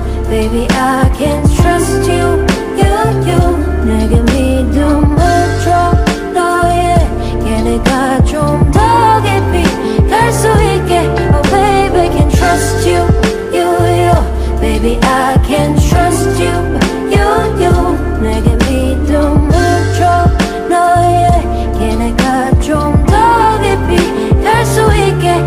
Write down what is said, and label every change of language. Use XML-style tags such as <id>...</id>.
<en>Baby, I can't trust you, you, you.</en> <ko>내게 믿음을 줘, 너에게 내가 좀 더 깊이 갈 수 있게.</ko> <en>Oh, baby, can't trust you, you, you. Baby, I can't trust you, you, you.</en> <ko>내게 믿음을 줘, 너에게 내가 좀 더 깊이 갈 수 있게.</ko>